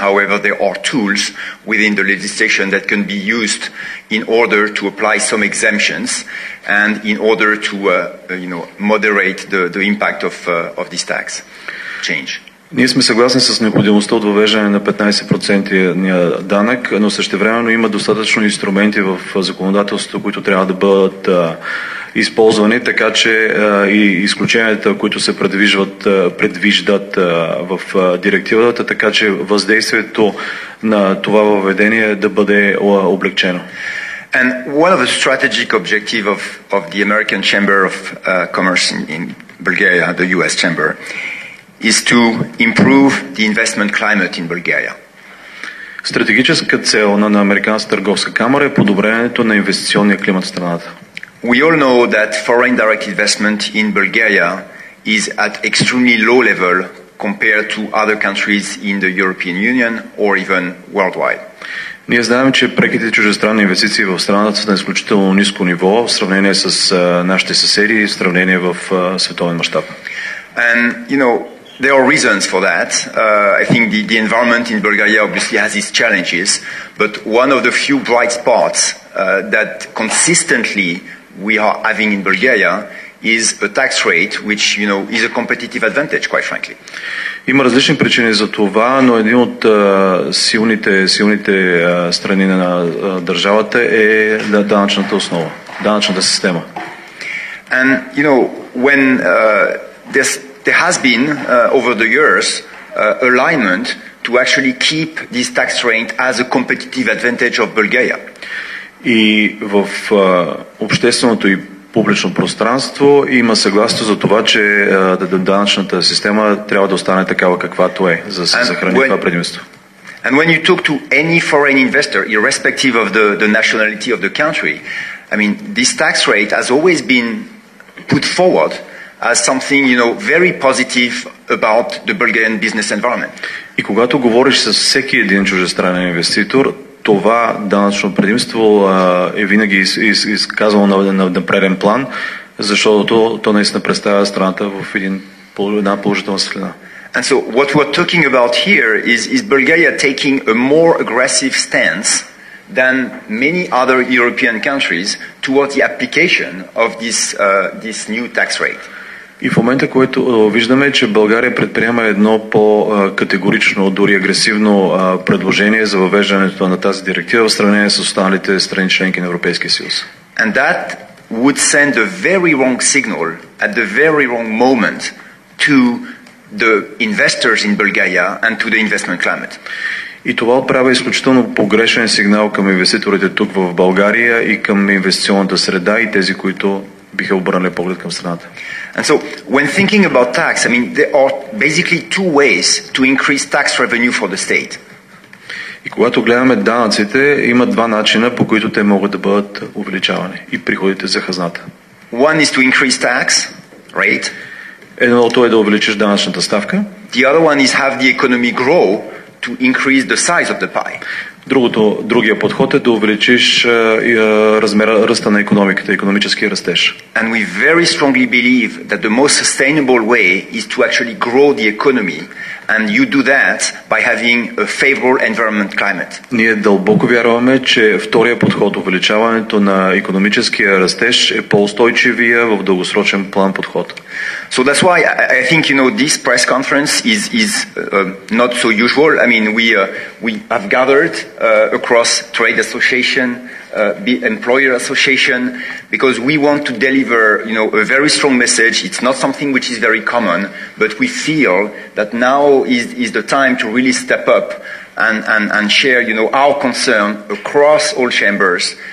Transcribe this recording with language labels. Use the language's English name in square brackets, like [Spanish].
[English] However, there are tools within the legislation that can be used in order to apply some exemptions and in order to moderate the impact of this tax change. [Bulgarian] Ние сме съгласни с необходимостта от въвеждане на 15% данък, но същевременно има достатъчно инструменти в законодателството, които трябва да бъдат използвани, така че и изключенията, които се предвиждат в директивата, така че въздействието на това въведение да бъде облекчено. [English] And one of the strategic objectives of the American Chamber of Commerce in Bulgaria, the US Chamber, is to improve the investment climate in Bulgaria. [Bulgarian] Стратегическа цел на Американската търговска камера е подобрението на инвестиционния климат в страната. [English] We all know that foreign direct investment in Bulgaria is at extremely low level compared to other countries in the European Union or even worldwide. [Bulgarian] Ние знаем, че преките чуждестранни инвестиции в страната са на изключително ниско ниво в сравнение с нашите съседи и в сравнение в световен мащаб. [English] And there are reasons for that. I think the environment in Bulgaria obviously has its challenges, but one of the few bright spots that consistently we are having in Bulgaria is a tax rate which, is a competitive advantage, quite frankly. [Bulgarian] Има различни причини за това, но един от силните страни на държавата е данъчната основа, данъчната система. [English] And when there has been over the years alignment to actually keep this tax rate as a competitive advantage of Bulgaria. [Bulgarian] И в общественото и публично пространство има съгласие за това, че данъчната система трябва да остане такава каквато е, за да се съхрани това предимство. [English] And when you talk to any foreign investor, irrespective of the nationality of the country, this tax rate has always been put forward as something very positive about the Bulgarian business environment. [Bulgarian] И когато говориш с всеки един чуждестранен инвеститор, това данъчно предимство е винаги изказвано на преден план, защото то наистина представя страната в една положителна светлина. [English] And so what we're talking about here is Bulgaria taking a more aggressive stance than many other European countries towards the application of this new tax rate. [Bulgarian] И в момента, който виждаме, че България предприема едно по-категорично, дори агресивно предложение за въвеждането на тази директива в сравнение с останалите страни членки на Европейския съюз. [English] And that would send a very wrong signal at the very wrong moment to the investors in Bulgaria and to the investment climate. [Bulgarian] И това отправя изключително погрешен сигнал към инвеститорите тук в България и към инвестиционната среда и тези, които биха обърнали поглед към страната. [English] And so, when thinking about tax, I mean, there are basically two ways to increase tax revenue for the state. [Bulgarian] И когато гледаме данъците, има два начина, по които те могат да бъдат увеличавани и приходите за хазната. [English] One is to increase tax rate. [Bulgarian] Едното е да увеличиш данъчната ставка. [English] The other one is have the economy grow to increase the size of the pie. [Bulgarian] Другият подход е да увеличиш размера ръста на икономиката, икономическия растеж. [English] And we very strongly believe that the most sustainable way is to actually grow the economy, and you do that by having a favorable environment climate. [Bulgarian] Ние дълбоко вярваме, че вторият подход, увеличаването на икономическия растеж, е по-устойчивия в дългосрочен план подход. [English] So that's why I think, you know, this press conference is not so usual. I mean, we have gathered across trade association, employer association, because we want to deliver, you know, a very strong message. It's not something which is very common, but we feel that now is the time to really step up and share, you know, our concern across all chambers.